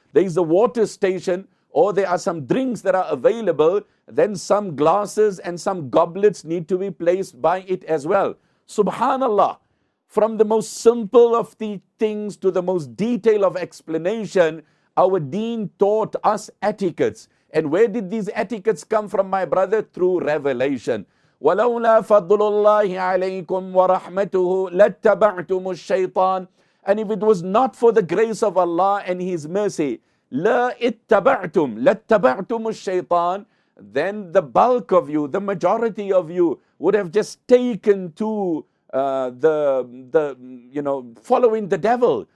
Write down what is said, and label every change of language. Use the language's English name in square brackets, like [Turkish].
[English] There is a water station, or there are some drinks that are available, then some glasses and some goblets need to be placed by it as well. Subhanallah, from the most simple of the things to the most detailed of explanation, our deen taught us etiquettes. And where did these etiquettes come from, my brother? Through revelation. [Arabic] ولولا فضل الله عليكم ورحمته لاتبعتم الشيطان. [English] And if it was not for the grace of Allah and His mercy, [Arabic] لاتبعتم الشيطان, [English] then the bulk of you, the majority of you, would have just taken to following the devil.